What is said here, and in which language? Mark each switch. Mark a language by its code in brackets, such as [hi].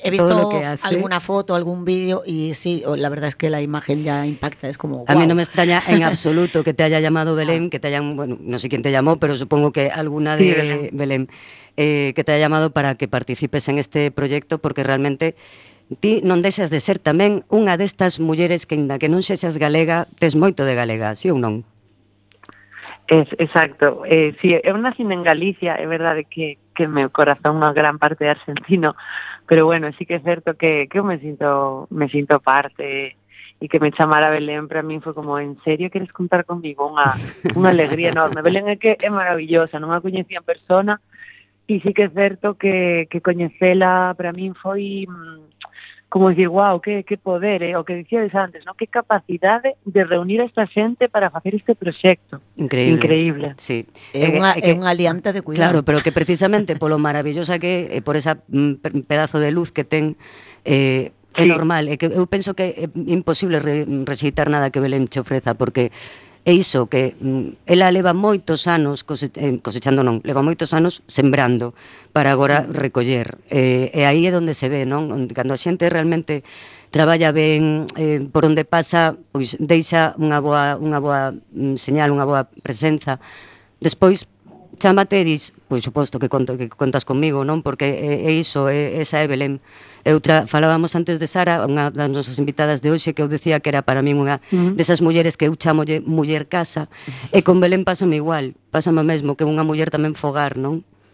[es] He visto lo que hace. Alguna foto, algún vídeo y sí, la verdad es que la imagen ya impacta, es como... A mí no me extraña en absoluto que te haya llamado Belén, que te hayan, bueno, no sé quién te llamó, pero supongo que alguna de Belén, que te haya llamado para que participes en este proyecto, porque realmente... [gl] Ti non deixas de ser tamén unha destas mulleres que, inda que non sexas galega, tes moito de galega, sí ou non? Exacto. Sí, eu nací en Galicia, é verdade que meu corazón é unha gran parte de argentino, pero bueno, sí que é certo que eu me sinto parte e que me chamara Belén, para mí foi como, en serio, queres contar comigo? Unha alegría enorme. Belén é que é maravillosa, non a coñecía en persona, e sí que é certo que coñecela para mí foi... [es] como decir, wow, qué poder, ¿eh? [gl] O que decías antes, [es] ¿no? Qué capacidad de reunir a esta gente para hacer este proyecto. Increíble. Increíble. Sí. Es un aliante de cuidado. Claro, pero que precisamente por lo maravillosa que, por ese pedazo de luz que ten, sí. Normal. Yo pienso que es imposible recitar nada que Belén te ofreza, porque [gl] e iso que ela leva moitos anos cosechando, non, leva moitos anos sembrando para agora recoller. E aí é onde se ve, non? Cando a xente realmente traballa ben, por onde pasa, pois deixa unha boa señal, unha boa presenza. Despois chámate e dis, pois suposto que contas comigo, non? Porque é iso, é esa Belén. E outra, falábamos antes de Sara, unha das nosas invitadas de hoxe, que eu decía que era para min unha desas mulleres que eu chamolle muller casa, e con Belén pásame igual, pásame mesmo, que unha muller tamén fogar, non?